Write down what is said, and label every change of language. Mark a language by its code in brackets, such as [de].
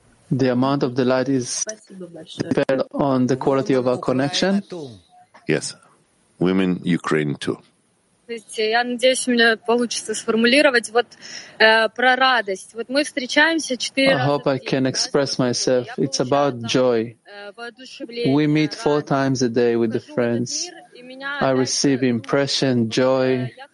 [en] The amount of the light is depend on the quality of our connection? Yes. Women, Ukraine too. [ru] Я надеюсь, у меня получится сформулировать вот про радость. Вот мы встречаемся четыре раза. [en] I hope I can express myself. It's about joy. We meet four times a day with the friends. I receive impression, joy.